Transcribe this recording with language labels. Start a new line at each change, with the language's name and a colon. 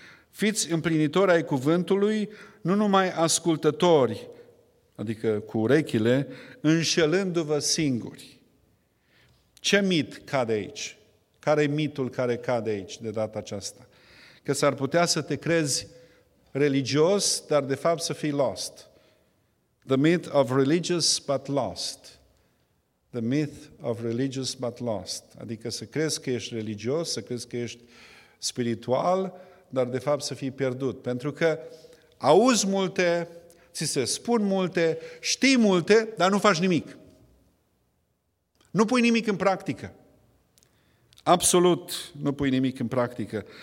Romanian: Fiți împlinitori ai cuvântului, nu numai ascultători, adică cu urechile, înșelându-vă singuri. Ce mit cade aici? Care e mitul care cade aici de data aceasta? Că s-ar putea să te crezi religios, dar de fapt să fii lost.
English: The myth of religious but lost. The myth of religious but lost.
Romanian: Adică să crezi că ești religios, să crezi că ești spiritual, dar de fapt să fii pierdut. Pentru că auzi multe, ți se spun multe, știi multe, dar nu faci nimic. Nu pui nimic în practică. Absolut nu pui nimic în practică.